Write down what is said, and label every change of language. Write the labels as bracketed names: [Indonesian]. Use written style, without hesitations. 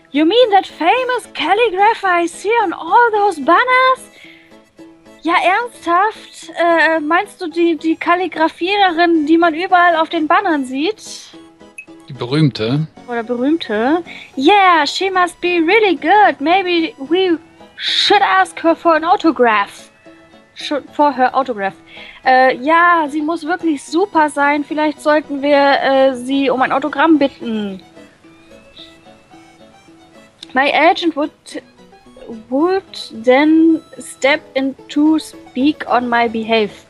[English] You mean that famous calligrapher I see on all those banners? [German] Ja, ernsthaft? Meinst du die Kalligrafiererin, die man überall auf den Bannern sieht? Die Berühmte. Oder Berühmte. [English] Yeah, she must be really good. Maybe we should ask her for an autograph. [German] Ja, sie muss wirklich super sein. Vielleicht sollten wir sie um ein Autogramm bitten. [English] My agent would then step in to speak on my behalf.